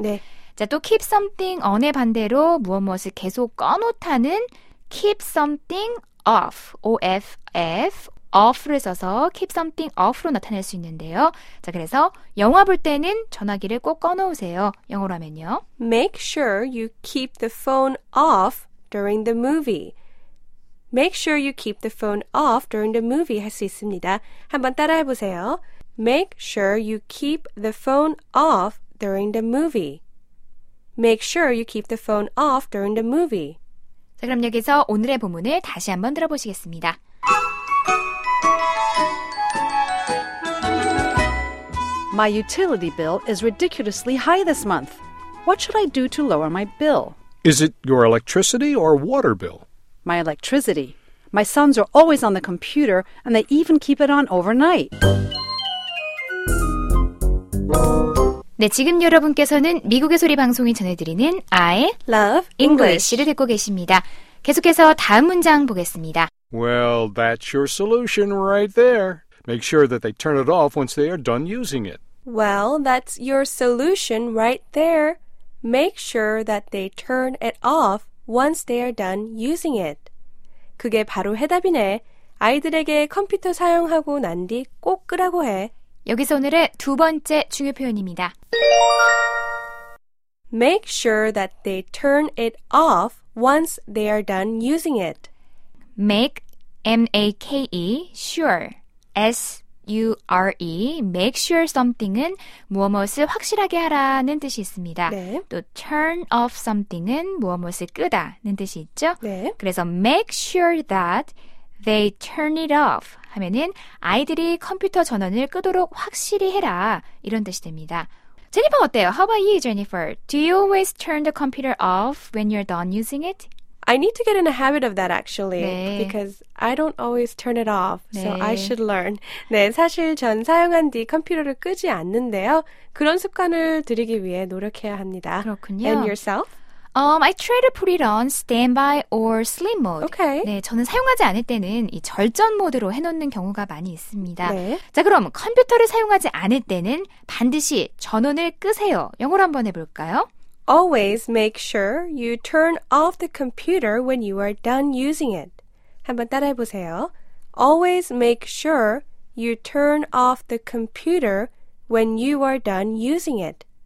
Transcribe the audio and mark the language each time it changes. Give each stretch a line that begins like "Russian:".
Korean: 네. 자, 또
English: keep something on
Korean: 의 반대로 무엇무엇을 계속 꺼놓다는
English: keep something off, O-F-F, off
Korean: 를 써서
English: keep something off
Korean: 로 나타낼 수 있는데요. 자, 그래서 영화 볼 때는 전화기를 꼭 꺼놓으세요. 영어로 하면요.
English: Make sure you keep the phone off during the movie. Make sure you keep the phone off during the movie
Korean: 할 수 있습니다. 한번 따라 해보세요.
English: Make sure you keep the phone off during the movie. Make sure you keep the phone off during the movie.
Korean: 자, 그럼 여기서 오늘의 본문을 다시 한번 들어보시겠습니다.
English: My utility bill is ridiculously high this month. What should I do to lower my bill? Is it your electricity or water bill? My electricity. My sons are always on the computer, and they even keep it on overnight.
Korean: 네, 지금 여러분께서는 미국의 소리 방송이 전해드리는 I
English: Love
Korean: English를 듣고 계십니다. 계속해서 다음 문장 보겠습니다.
English: Well, that's your solution right there. Make sure that they turn it off once they are done using it. Well, that's your solution right there. Make sure that they turn it off once they are done using it.
Korean: 그게 바로 해답이네. 아이들에게 컴퓨터 사용하고 난 뒤 꼭 끄라고 해. 여기서 오늘의 두 번째 중요 표현입니다.
English: Make sure that they turn it off once they are done using it. Make, M-A-K-E, sure, S-U-R-E, make sure something은
Korean: 무엇무엇을 확실하게 하라는 뜻이 있습니다. 네. 또 turn off something은 무엇무엇을 끄다는 뜻이 있죠. 네. 그래서
English: make sure that they turn it off
Korean: 하면은 아이들이 컴퓨터 전원을 끄도록 확실히 해라 이런 뜻이 됩니다. 제니퍼 어때요?
English: How about you, Jennifer? Do you always turn the computer off when you're done using it? I need to get in a habit of that, actually,
Korean: 네.
English: because I don't always turn it off,
Korean: 네.
English: so I should learn.
Korean: 네, 사실 전 사용한 뒤 컴퓨터를 끄지 않는데요. 그런 습관을 들이기 위해 노력해야 합니다. 그렇군요.
English: And yourself? I try to put it on standby or sleep mode. Okay.
Korean: 네, 저는 사용하지 않을 때는 이 절전 모드로 해놓는 경우가 많이 있습니다. 네. 자, 그럼 컴퓨터를 사용하지 않을 때는 반드시 전원을 끄세요. 영어로 한번 해볼까요?
English: Always make sure you turn off the computer when you are done using it.
Korean: 한번 따라해보세요.
English: Always make sure you turn off the computer when you are done using it.